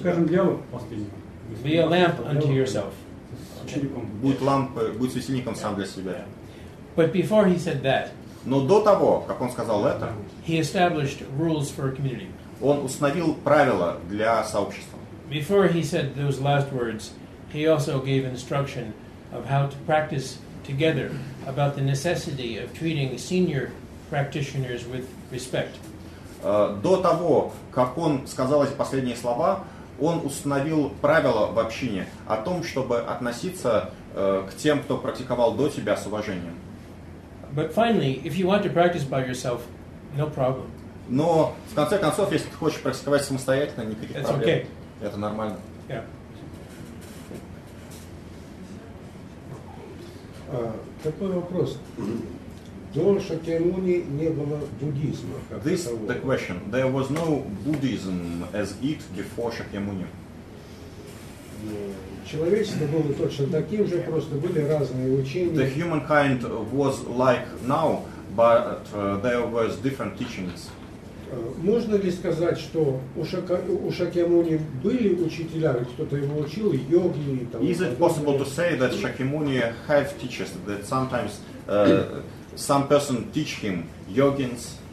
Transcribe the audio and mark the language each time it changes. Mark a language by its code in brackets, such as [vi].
[ru] Скажем дьявол последний. [en] Be a lamp unto yourself. [ru] Будь лампой, будь светильником сам для себя. [en] But before he said that, [ru] но до того, как он сказал это, [en] he established rules for a community. [ru] Он установил правила для сообщества. [en] Before he said those last words, he also gave instruction of how to practice together about the necessity of treating senior practitioners with respect. [ru] До того, как он сказал эти последние слова, он установил правила в общине о том, чтобы относиться к тем, кто практиковал до тебя, с уважением. [en] But finally, if you want to practice by yourself, no problem. [ru] Но в конце концов, если ты хочешь практиковать самостоятельно, никаких [en] That's [ru] проблем. [en] Okay. [ru] Это нормально. [en] Yeah. [ru] Такой вопрос. До Шакьямуни не было буддизма. [en] This is the question. There was no Buddhism as it before Шакьямуни. [ru] Человечество было точно таким же, просто были разные учения. [en] The humankind was like now, but there was different teachings. [ru] Можно ли сказать, что у Шакьямуни были учителя, кто-то его учил, йоги и там? [en] Is it possible to say that Шакьямуни have teachers that sometimes some person teach him yogins?